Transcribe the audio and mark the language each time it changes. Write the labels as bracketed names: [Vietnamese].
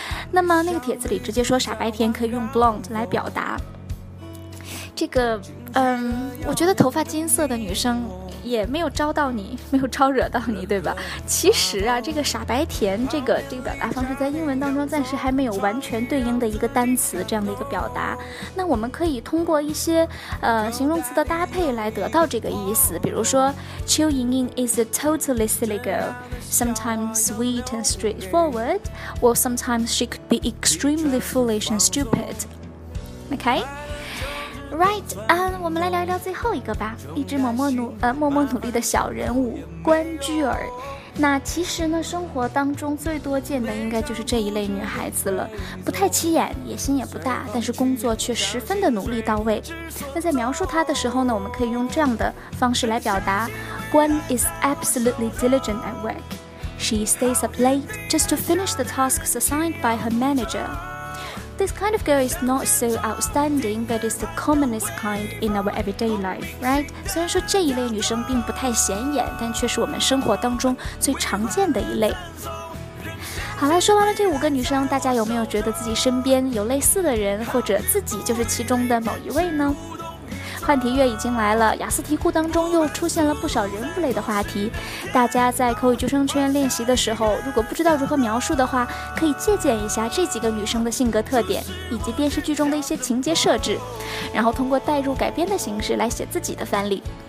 [Chinese] 那么那个帖子里直接说傻白甜可以用 blonde 来表达。这个，我觉得头发金色的女生也没有招到你，没有招惹到你，对吧？其实啊，这个傻白甜这个表达方式在英文当中暂时还没有完全对应的一个单词这样的一个表达。那我们可以通过一些形容词的搭配来得到这个意思，比如说 [English] Qiu Yingying is a totally silly girl, sometimes sweet and straightforward, or sometimes she could be extremely foolish and stupid. Okay? [Chinese] Right, 我们来聊一聊最后一个吧，一只默默努力的小人物关雎尔。那其实呢，生活当中最多见的应该就是这一类女孩子了，不太起眼，野心也不大，但是工作却十分的努力到位。那在描述她的时候呢，我们可以用这样的方式来表达， [English] Gwen is absolutely diligent at work. She stays up late just to finish the tasks assigned by her manager. This kind of girl is not so outstanding, but is the commonest kind in our everyday life, right? [Chinese] 虽然说这一类女生并不太显眼，但却是我们生活当中最常见的一类。好了，说完了这五个女生，大家有没有觉得自己身边有类似的人，或者自己就是其中的某一位呢？换题月已经来了，雅思题库当中又出现了不少人物类的话题，大家在口语救生圈练习的时候，如果不知道如何描述的话，可以借鉴一下这几个女生的性格特点以及电视剧中的一些情节设置，然后通过代入改编的形式来写自己的范例。